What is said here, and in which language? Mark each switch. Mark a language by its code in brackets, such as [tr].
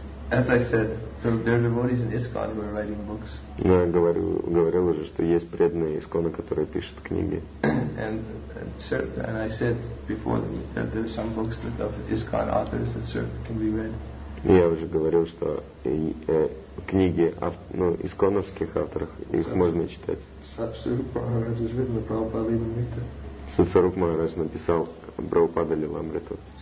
[en] As I said, there are devotees in ISKCON who are writing books. [ru] Я говорил уже, что есть преданные ISKCON, которые пишут книги. [en] And I said before that there are some books that of ISKCON authors that can be read. [ru] Я уже говорил, что книги исконовских авторов, их можно читать. Сатсварупа Махарадж написал Прабхупада Лиламриту.